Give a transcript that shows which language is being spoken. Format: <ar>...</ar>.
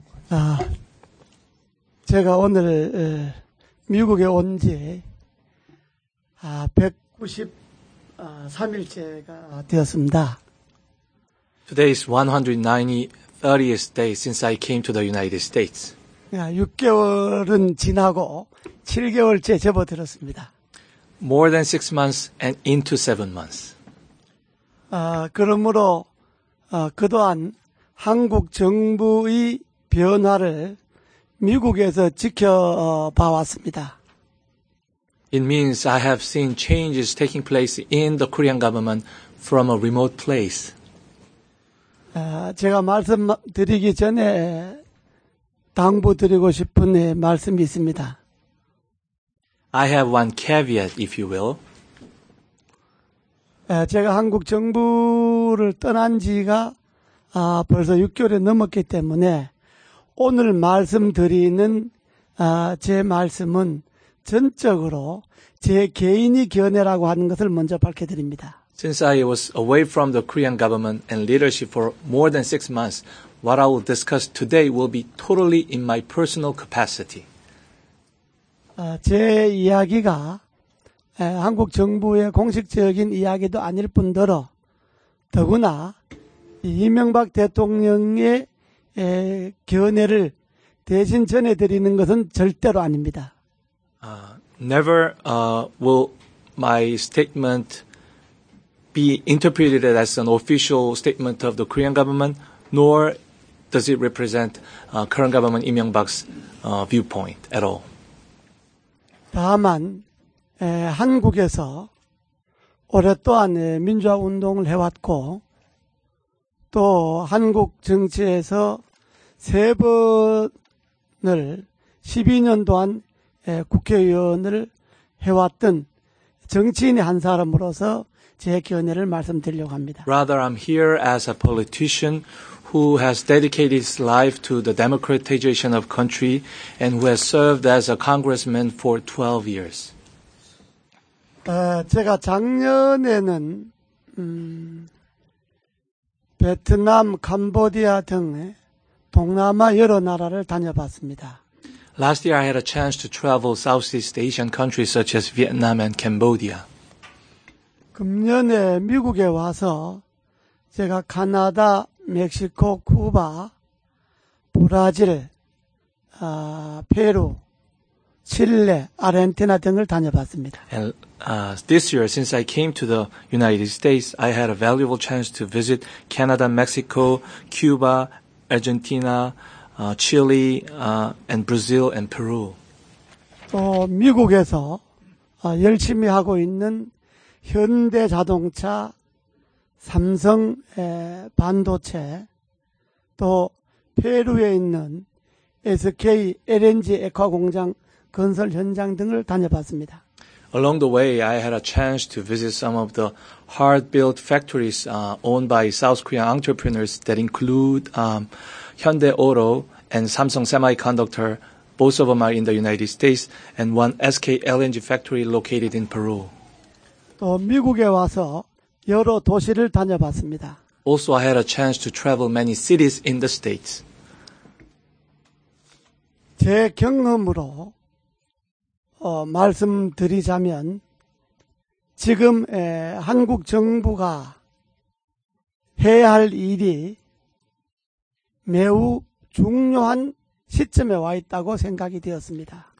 <ko>아, 제가 오늘 미국에 온 지 193일째가 되었습니다.</ko> <en>Today is 193rd day since I came to the United States.</en> <ko>6개월은 지나고 7개월째 접어들었습니다.</ko> <en>More than 6 months and into 7 months.</en> <ko>그러므로 그동안 한국 정부의 변화를 미국에서 지켜봐 왔습니다.</ko> <en>It means I have seen changes taking place in the Korean government from a remote place.</en> <ko>제가 말씀드리기 전에 당부드리고 싶은 말씀이 있습니다.</ko> <en>I have one caveat, if you will.</en> <ko>제가 한국 정부를 떠난 지가 벌써 6개월이 넘었기 때문에 오늘 말씀드리는 제 말씀은 전적으로 제 개인의 견해라고 하는 것을 먼저 밝혀드립니다.</ko> <en>Since I was away from the Korean government and leadership for more than 6 months, what I will discuss today will be totally in my personal capacity.</en> <ko>제 이야기가 한국 정부의 공식적인 이야기도 아닐 뿐더러 더구나 이명박 대통령의 견해를 대신 전해드리는 것은 절대로 아닙니다.</ko> <en>Never will my statement be interpreted as an official statement of the Korean government, nor does it represent current government 이명박's viewpoint at all.</en> <ko>다만 한국에서 오랫동안 민주화 운동을 해왔고 또 한국 정치에서 세 번을 12년 동안 국회의원을 해왔던 정치인의 한 사람으로서 제 견해를 말씀드리려고 합니다.</ko> <en>Rather, I'm here as a politician who has dedicated his life to the democratization of country and who has served as a congressman for 12 years.</en> <ko>제가 작년에는 베트남, 캄보디아 등의 동남아 여러 나라를 다녀봤습니다.</ko> <en>Last year I had a chance to travel Southeast Asian countries such as Vietnam and Cambodia.</en> <ko>금년에 미국에 와서 제가 카나다, 멕시코, 쿠바, 브라질, 페루, 칠레, 아르헨티나 등을 다녀봤습니다.</ko> <en>And this year, since I came to the United States, I had a valuable chance to visit Canada, Mexico, Cuba, Argentina, Chile, and Brazil and Peru.</en> <ko>또 미국에서 열심히 하고 있는 현대자동차, 삼성 반도체, 또 페루에 있는 SK LNG 액화공장 건설 현장 등을 다녀봤습니다.</ko> <en>Along the way, I had a chance to visit some of the hard-built factories owned by South Korean entrepreneurs that include Hyundai Auto and Samsung Semiconductor. Both of them are in the United States, and one SK LNG factory located in Peru.</en> <ko>또 미국에 와서 여러 도시를 다녀봤습니다.</ko> <en>Also, I had a chance to travel many cities in the States.</en> <ko>제 경험으로 말씀드리자면 지금 한국 정부가 해야 할 일이 매우 중요한 시점에 와 있다고 생각이 되었습니다.</ko>